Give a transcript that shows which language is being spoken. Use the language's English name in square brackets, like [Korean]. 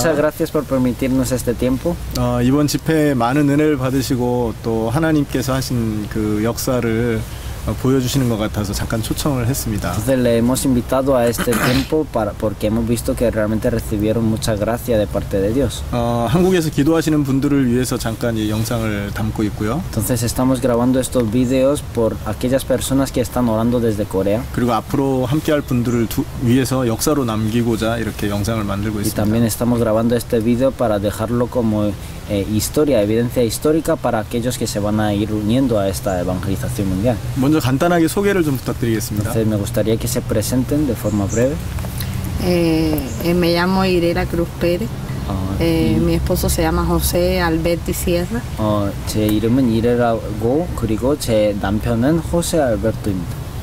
[Spanish] Muchas gracias por permitirnos este tiempo. [Korean] 이번 집회에 많은 은혜를 받으시고 또 하나님께서 하신 그 역사를 보여주시는 것 같아서 잠깐 초청을 했습니다. [Spanish] Entonces le hemos invitado a este tiempo porque hemos visto que realmente recibieron mucha gracia de parte de Dios. [Korean] 한국에서 기도하시는 분들을 위해서 잠깐 이 영상을 담고 있고요. [Spanish] Entonces estamos grabando estos videos por aquellas personas que están orando desde Corea. [Korean] 그리고 앞으로 함께할 분들을 위해서 역사로 남기고자 이렇게 영상을 만들고 있습니다. [Spanish] Y también estamos grabando este video para dejarlo como historia, evidencia histórica para aquellos que se van a ir uniendo a esta evangelización mundial. [Korean] 먼저 간단하게 소개를 좀 부탁드리겠습니다. [Spanish] Entonces, me gustaría que se presenten de forma breve. Me llamo Irela Cruz Pérez. Mi esposo se llama José Alberti Sierra. [Korean] 제 이름은 이레라고 그리고 제 남편은 José Alberto입니다.